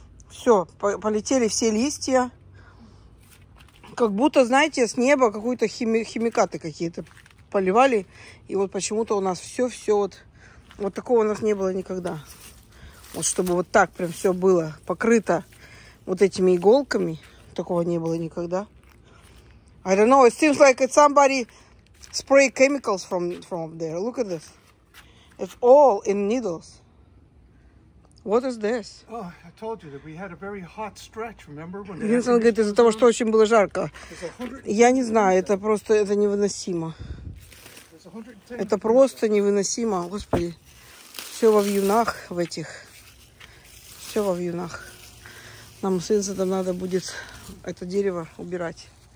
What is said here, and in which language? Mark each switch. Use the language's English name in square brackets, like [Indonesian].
[Russian] Все, полетели все листья. Как будто, знаете, с неба какую-то химикаты какие-то поливали. И вот почему-то у нас все-все вот... Вот такого у нас не было никогда. Вот чтобы вот так прям все было покрыто вот этими иголками. Такого не было никогда. [English] I don't know, it seems like it's somebody spray chemicals from there. Look at this. It's all in needles. What is this? Oh, I told you that we had a very hot stretch, remember? [Russian] Винсент говорит, из-за того, что очень было жарко. Я не знаю, это просто, это невыносимо. Это просто невыносимо, господи. Все во вьюнах в этих. Все во вьюнах. Нам с Винсентом надо будет это дерево убирать.